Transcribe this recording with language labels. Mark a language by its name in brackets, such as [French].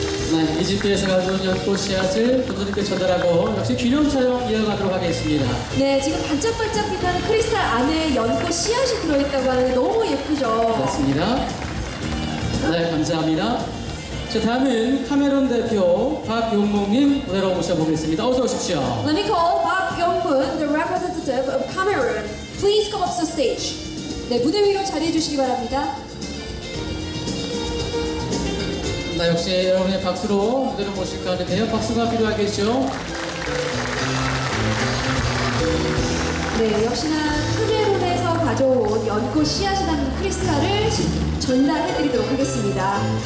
[Korean] 네, 이집트에서 가져온 연꽃 씨앗을 교수님께 전달하고 역시 기념 촬영 이어가도록 하겠습니다. 네, 지금 반짝반짝 빛나는 크리스탈 안에 연꽃 씨앗이 들어있다고 하는데 너무 예쁘죠? 맞습니다. 네, 감사합니다. 자, 다음은 카메론 대표 박용봉님 무대로 모셔보겠습니다. 어서 오십시오. [English] Let me call Park Yong-bun, the representative of Cameroon. Please come up to the stage. [Korean] 네, 무대 위로 자리해 주시기 바랍니다. 네, 역시 여러분의 박수로 무대로 모실 것 같은데요. 박수가 필요하겠죠? 네, 역시나 카메론에서 가져온 연꽃 씨앗이 담긴 크리스탈을 전달해드리도록 하겠습니다.